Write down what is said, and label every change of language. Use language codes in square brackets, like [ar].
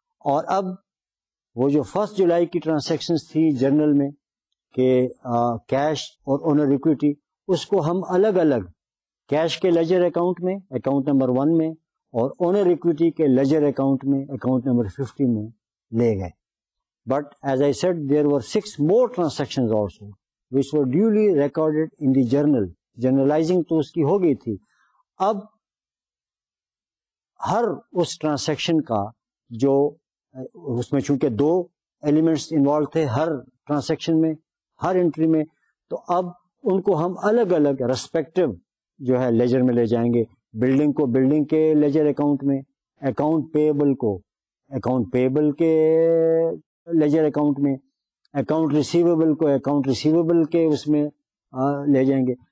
[ur] اور اب وہ جو 1 جولائی کی ٹرانزیکشنز تھی جرنل میں کہ کیش اور اونر ایکویٹی, اس کو ہم الگ الگ کیش کے لیجر اکاؤنٹ میں اکاؤنٹ نمبر 1 میں اور اونر ایکویٹی کے لیجر اکاؤنٹ میں اکاؤنٹ نمبر 50 میں لے گئے. [en] But as I said there were 6 more transactions also which were duly recorded in the journal. [ur] جرنلائزنگ تو اس کی ہو گئی تھی, اب ہر اس ٹرانزیکشن کا جو اس میں چونکہ 2 ایلیمنٹس انوالو تھے ہر ٹرانزیکشن میں ہر انٹری میں, تو اب ان کو ہم الگ الگ ریسپیکٹو جو ہے لیجر میں لے جائیں گے, بلڈنگ کو بلڈنگ کے لیجر اکاؤنٹ میں, اکاؤنٹ پیبل کو اکاؤنٹ پیبل کے لیجر اکاؤنٹ میں, اکاؤنٹ ریسیویبل کو اکاؤنٹ ریسیویبل کے اس میں لے جائیں گے.